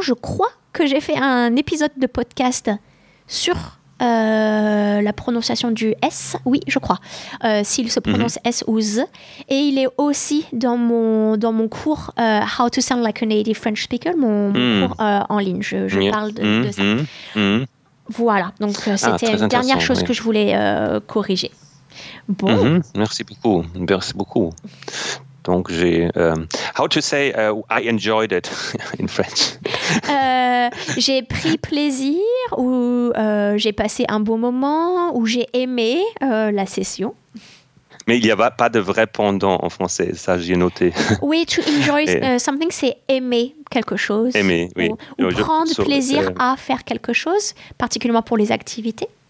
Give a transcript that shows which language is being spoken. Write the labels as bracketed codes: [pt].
[fr] Je crois que j'ai fait un épisode de podcast sur la prononciation du S, oui, je crois, s'il se prononce S ou Z. Et il est aussi dans mon cours How to Sound Like a Native French Speaker, mon cours en ligne. Je parle de ça. Voilà, donc c'était une dernière chose que je voulais corriger. Bon. Merci beaucoup. Donc, j'ai... [en] how to say I enjoyed it in French? [fr] J'ai pris plaisir ou j'ai passé un bon moment ou j'ai aimé la session. Mais il n'y a pas de vrai pendant en français, ça j'ai noté. Oui, [en] to enjoy something, [fr] c'est aimer quelque chose. Aimer, oui. Ou prendre plaisir à faire quelque chose, particulièrement pour les activités.